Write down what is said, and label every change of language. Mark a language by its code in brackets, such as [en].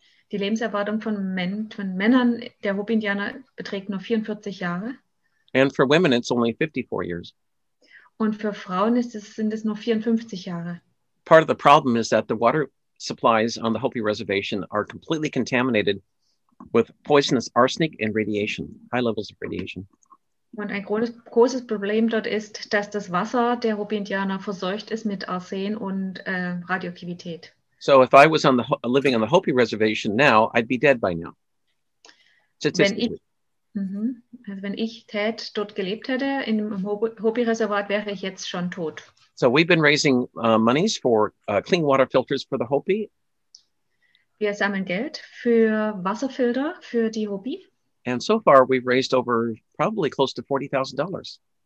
[de] Die Lebenserwartung von Männern der Hopi-Indianer beträgt nur 44 Jahre. [en] And for women, it's only 54 years. [de] Und für Frauen sind es nur 54 Jahre. [en] Part of the problem is that the water supplies on the Hopi Reservation are completely contaminated with poisonous arsenic and radiation, high levels of radiation. [de] Und ein großes Problem dort ist, dass das Wasser der Hopi-Indianer verseucht ist mit Arsen und Radioaktivität. [en] So if I was living on the Hopi Reservation now, I'd be dead by now. [de] Wenn ich dort gelebt hätte, in dem Hopi-Reservat, wäre ich jetzt schon tot. [en] So we've been raising monies for clean water filters for the Hopi. [de] Wir sammeln Geld für Wasserfilter für die Hopi. [en] And so far we've raised over probably close to $40,000.